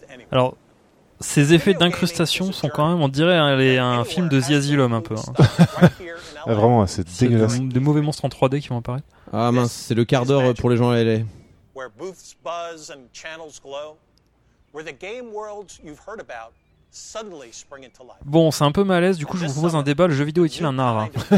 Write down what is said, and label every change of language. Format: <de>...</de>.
<fr>Alors, ces effets d'incrustation sont quand même, on dirait, un film de The Asylum un peu. Hein. Ah, vraiment, c'est dégueulasse. Des mauvais monstres en 3D qui vont apparaître. Ah mince, c'est le quart d'heure pour les gens à LA.</fr> <en>Where booths buzz and channels glow, where the game worlds you've heard about. Suddenly spring into life.</en> <fr>Bon, c'est un peu malaise, du coup je vous propose un débat. Le jeu vidéo est-il un art?</fr>